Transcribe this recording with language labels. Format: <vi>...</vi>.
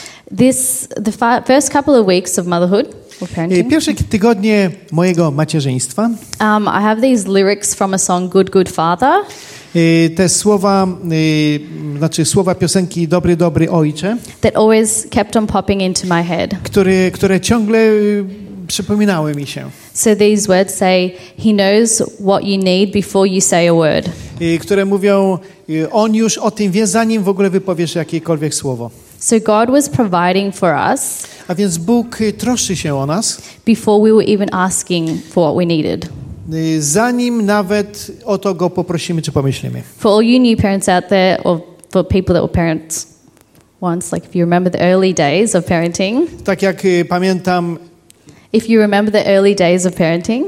<en>The first couple of weeks of motherhood or parenting.</en> <pl>Pierwsze tygodnie mojego macierzyństwa.</pl> <en>I have these lyrics from a song, "Good Good Father."</en> <pl>Słowa piosenki "Dobry Dobry Ojcze."</pl> <en>That always kept on popping into my head.</en> <pl>Które ciągle przypominały mi się.</pl> <en>So these words say, "He knows what you need before you say a word."</en> <pl>Które mówią, on już o tym wie, zanim w ogóle wypowiesz jakiekolwiek słowo.</pl> <en>So God was providing for us.</en> <pl>A więc Bóg troszczy się o nas.</pl> <en>Before we were even asking for what we needed.</en> <pl>Zanim nawet o to go poprosimy czy pomyślimy.</pl> <en>For all you new parents out there, or for people that were parents once, like if you remember the early days of parenting.</en> <pl>Tak jak pamiętam.</pl> <en>If you remember the early days of parenting.</en>